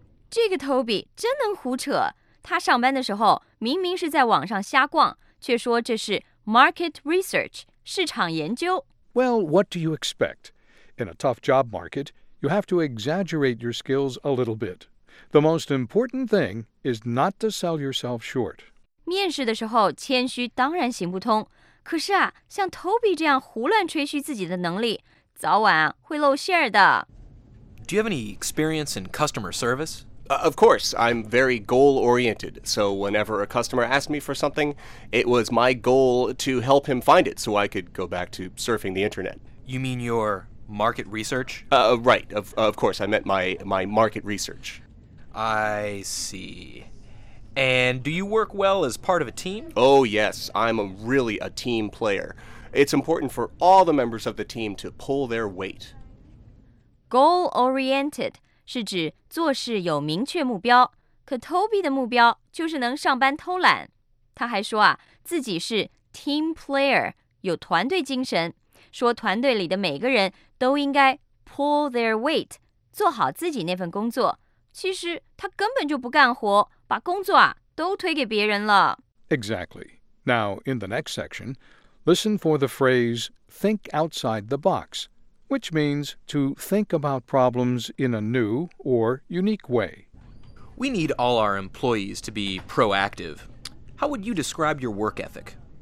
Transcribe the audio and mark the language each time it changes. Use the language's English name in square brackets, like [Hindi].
[Chinese] 这个 Toby 真能胡扯。他上班的时候明明是在网上瞎逛，却说这是 market research, 市场研究。 [English] Well, what do you expect? In a tough job market,You have to exaggerate your skills a little bit. The most important thing is not to sell yourself short. [Chinese] 面试的时候谦虚当然行不通，可是啊，像 Toby 这样胡乱吹嘘自己的能力，早晚会露馅儿的。 [English] Do you have any experience in customer service? Of course, I'm very goal-oriented, so whenever a customer asked me for something, it was my goal to help him find it so I could go back to surfing the internet. You mean your... Market research? Right. Of course, I meant my market research. I see. And do you work well as part of a team? Oh, yes. I'm really a team player. It's important for all the members of the team to pull their weight. [Chinese] Goal-oriented 是指做事有明确目标。可 Toby 的目标就是能上班偷懒。他还说啊，自己是 team player, 有团队精神。说团队里的每个人都应该 [English] pull their weight, [Chinese] 做好自己那份工作。其实他根本就不干活，把工作啊都推给别人了。 [English] Exactly. Now, in the next section, listen for the phrase, think outside the box, which means to think about problems in a new or unique way. We need all our employees to be proactive. How would you describe your work ethic?